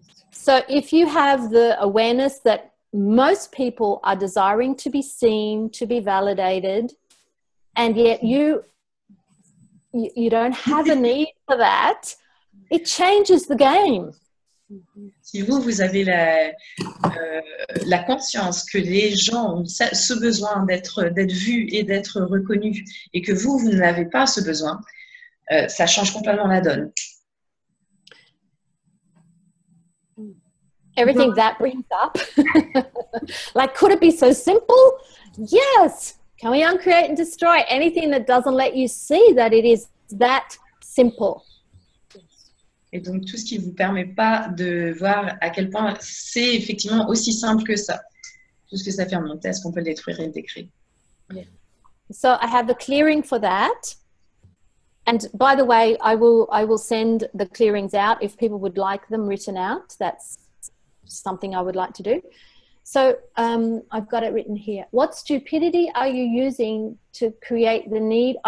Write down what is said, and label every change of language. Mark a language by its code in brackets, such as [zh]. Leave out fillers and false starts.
[en] So, if you have the awareness that most people are desiring to be seen, to be validated, and yet you don't have a need for that, it changes the game. [fr] Si vous avez la conscience que les gens ont ce besoin d'être vus et d'être reconnus et que vous n'avez pas ce besoin, ça change complètement la donne. [en] Everything that brings up. Like, could it be so simple? Yes! Can we uncreate and destroy anything that doesn't let you see that it is that simple? [fr] Et donc, tout ce qui ne vous permet pas de voir à quel point c'est effectivement aussi simple que ça. Tout ce que ça fait en montée, est-ce qu'on peut le détruire et le décrire? [en] Yeah. So, I have a clearing for that. And by the way, I will send the clearings out if people would like them written out. That's something I would like to do. So, I've got it written here. What stupidity are you using to create the need?